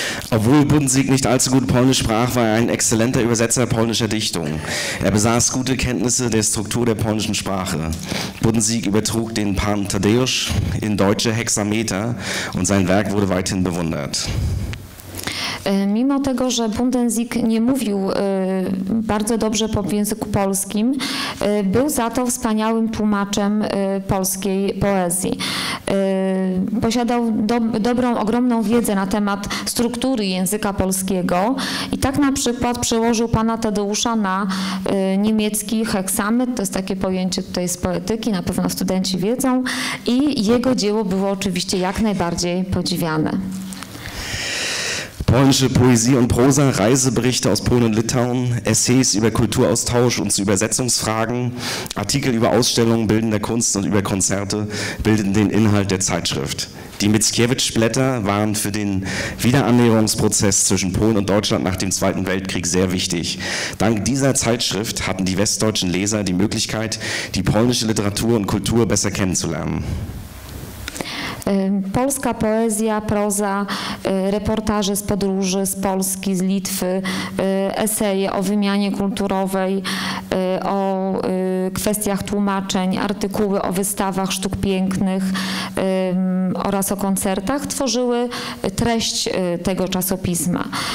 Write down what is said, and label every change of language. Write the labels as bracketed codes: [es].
[de] Obwohl Buddensieg nicht allzu gut Polnisch sprach, war er ein exzellenter Übersetzer polnischer Dichtung. Er besaß gute Kenntnisse der Struktur der polnischen Sprache. Buddensieg übertrug den Pan Tadeusz in deutsche Hexameter und sein Werk wurde weithin bewundert. [pl] Mimo tego, że Buddensieg nie mówił bardzo dobrze po języku polskim, był za to wspaniałym tłumaczem polskiej poezji. Posiadał dobrą, ogromną wiedzę na temat struktury języka polskiego i tak na przykład przełożył pana Tadeusza na niemiecki heksamet, to jest takie pojęcie tutaj z poetyki, na pewno studenci wiedzą, i jego dzieło było oczywiście jak najbardziej podziwiane. [de] polnische Poesie und Prosa, Reiseberichte aus Polen und Litauen, Essays über Kulturaustausch und zu Übersetzungsfragen, Artikel über Ausstellungen bildender Kunst und über Konzerte bildeten den Inhalt der Zeitschrift. Die Mickiewicz-Blätter waren für den Wiederannäherungsprozess zwischen Polen und Deutschland nach dem Zweiten Weltkrieg sehr wichtig. Dank dieser Zeitschrift hatten die westdeutschen Leser die Möglichkeit, die polnische Literatur und Kultur besser kennenzulernen. [pl] Polska poezja, proza, reportaże z podróży z Polski, z Litwy, eseje o wymianie kulturowej, o kwestiach tłumaczeń, artykuły o wystawach sztuk pięknych oraz o koncertach tworzyły treść tego czasopisma.